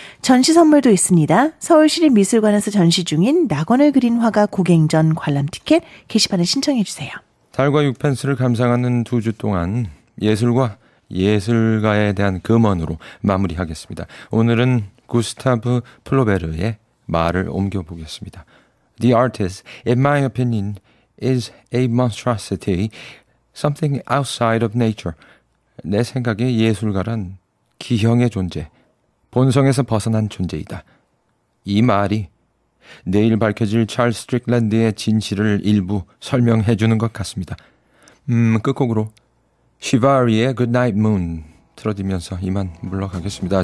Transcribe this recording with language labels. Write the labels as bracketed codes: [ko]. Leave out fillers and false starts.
[ko] 전시 선물도 있습니다. 서울시립미술관에서 전시 중인 낙원을 그린 화가 고갱전 관람 티켓 게시판에 신청해 주세요. 달과 육펜스를 감상하는 두 주 동안 예술과 예술가에 대한 금언으로 마무리하겠습니다. 오늘은 구스타브 플로베르의 말을 옮겨보겠습니다. [en] The artist, in my opinion, is a monstrosity, something outside of nature. [ko] 내 생각에 예술가란 기형의 존재, 본성에서 벗어난 존재이다. 이 말이 내일 밝혀질 찰스 스트릭랜드의 진실을 일부 설명해 주는 것 같습니다. 끝곡으로 시바리의 Good Night Moon 틀어드리면서 이만 물러가겠습니다.